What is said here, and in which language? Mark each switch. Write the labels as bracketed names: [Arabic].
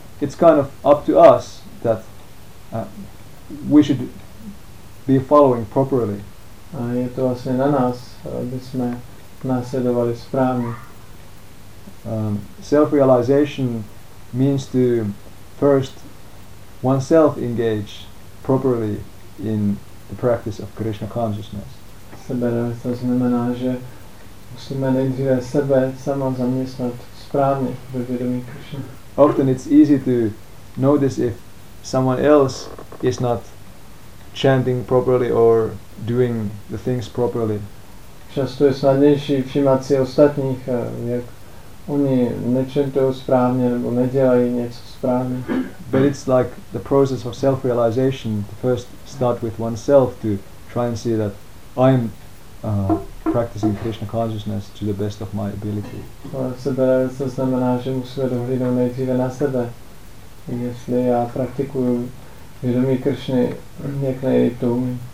[English] It's kind of up to us that we should be following properly. [Czech] A je to vlastně na nás, aby jsme následovali správně. [English] Self-realization means to first oneself engage properly in the practice of Krishna consciousness. [Czech] Sebe-realizace znamená, že musíme nejdříve sebe sama zaměstnat správně ve vědomí Krishna. [English] Often it's easy to notice if someone else is not chanting properly or doing the things properly. [Czech] Často je snadnější všímat si ostatních, jak oni nečentují správně nebo nedělají něco správně. [English] But it's like the process of self-realization, to first start with oneself to try and see that I'm practicing Krishna consciousness to the best of my ability. [Czech] To znamená, že musíme dohlídnout nejdříve na sebe. Jestli já praktikuju vědomí Kršny, jak nejlíp to umím.